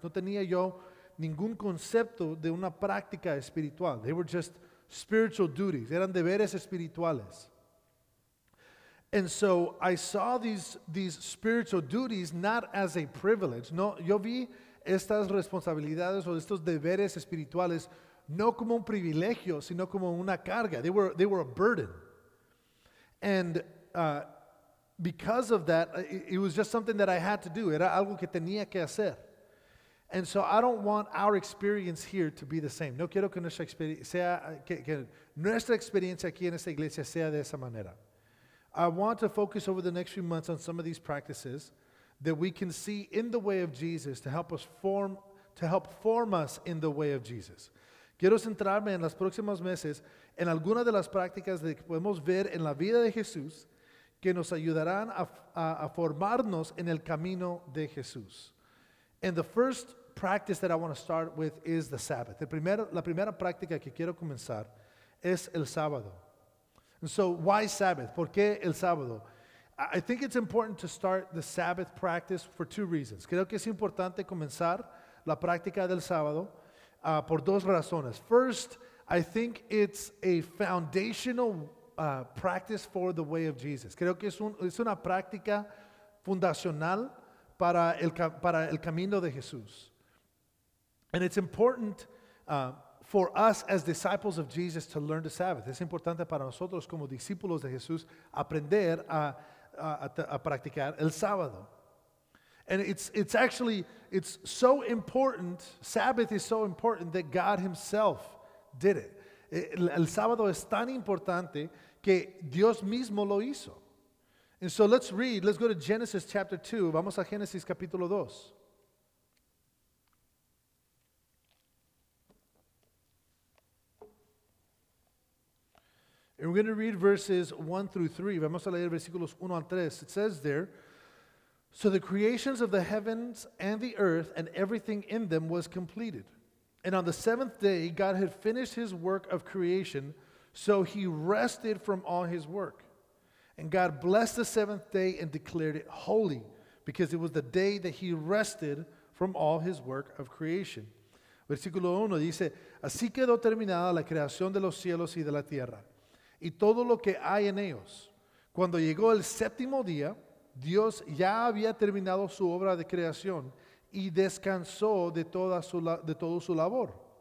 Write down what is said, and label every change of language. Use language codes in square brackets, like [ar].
[es] No tenía yo ningún concepto de una práctica espiritual. [en] They were just spiritual duties. [es] Eran deberes espirituales. [en] And so I saw these spiritual duties not as a privilege. [es] No, yo vi estas responsabilidades o estos deberes espirituales no como un privilegio, sino como una carga. [en] They were a burden. And because of that, it was just something that I had to do. [es] Era algo que tenía que hacer. [en] And so I don't want our experience here to be the same. [es] No quiero que nuestra experiencia sea que nuestra experiencia aquí en esta iglesia sea de esa manera. [en] I want to focus over the next few months on some of these practices that we can see in the way of Jesus to help form us in the way of Jesus. [es] Quiero centrarme en los próximos meses en algunas de las prácticas que podemos ver en la vida de Jesús que nos ayudarán a formarnos en el camino de Jesús. [en] And the first practice that I want to start with is the Sabbath. [es] La primera práctica que quiero comenzar es el sábado. [en] And so, why Sabbath? [es] ¿Por qué el sábado? [en] I think it's important to start the Sabbath practice for two reasons. [es] Creo que es importante comenzar la práctica del sábado por dos razones. [en] First, I think it's a foundational practice for the way of Jesus. [es] Creo que es una práctica fundacional para el camino de Jesús. [en] And it's important for us as disciples of Jesus to learn the Sabbath. [es] Es importante para nosotros como discípulos de Jesús aprender a practicar el sábado. [en] And it's so important, Sabbath is so important that God himself did it. [es] El sábado es tan importante que Dios mismo lo hizo. [en] And so let's read, let's go to Genesis chapter 2. [es] Vamos a Génesis capítulo 2. [en] And we're going to read verses 1 through 3. [es] Vamos a leer versículos 1 al 3. [en] It says there, "So the creations of the heavens and the earth and everything in them was completed. And on the seventh day, God had finished his work of creation, so he rested from all his work. And God blessed the seventh day and declared it holy, because it was the day that he rested from all his work of creation." [es] Versículo 1 dice, "Así quedó terminada la creación de los cielos y de la tierra, y todo lo que hay en ellos. Cuando llegó el séptimo día, Dios ya había terminado su obra de creación y descansó de todo su labor.